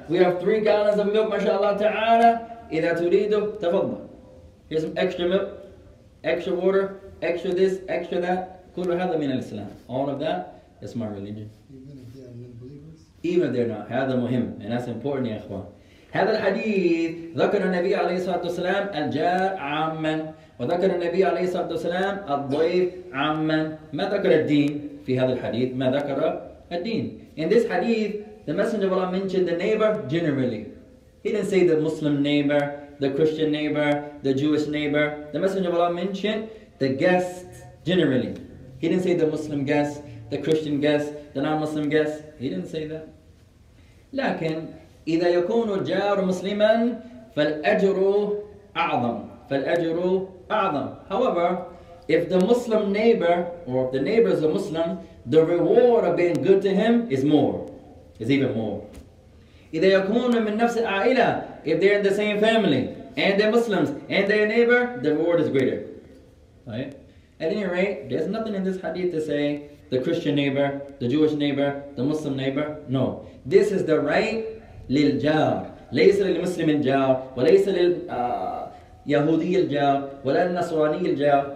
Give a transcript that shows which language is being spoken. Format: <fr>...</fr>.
<en>We have 3 gallons of milk, mashallah ta'ala.</en> <ar>إذا تريد تفضل.</ar> <en>Here's some extra milk, extra water, extra this, extra that.</en> <ar>كل هذا من الإسلام.</ar> <en>All of that is my religion. Even if they are not believers? Even if they're not.</en> <ar>هذا مهم.</ar> <en>And that's important,</en> <ar>يا إخوان. هذا الحديث ذكر النبي عليه الصلاة والسلام الجار عاما. وذكر النبي عليه الصلاة والسلام الضيف عاما. ما ذكر الدين في هذا الحديث؟ ما ذكر الدين؟</ar> <en>In this hadith, the Messenger of Allah mentioned the neighbor generally. He didn't say the Muslim neighbor, the Christian neighbor, the Jewish neighbor. The Messenger of Allah mentioned the guests generally. He didn't say the Muslim guest, the Christian guest, the non-Muslim guest. He didn't say that.</en> <ar>لكن إذا يكون الجار مسلما فالأجر أعظم فالأجر أعظم.</ar> <en>However, if the Muslim neighbor or if the neighbor is a Muslim, the reward of being good to him is more, is even more.</en> <ar>إذا يكون من نفس العائلة,</ar> <en>if they're in the same family and they're Muslims and they're a neighbor, the reward is greater. Right? At any rate, there's nothing in this hadith to say the Christian neighbor, the Jewish neighbor, the Muslim neighbor. No. This is the right</en> <ar>للجار. ليس للمسلم الجار وليس لليهودي الجار ولا النصراني الجار.</ar>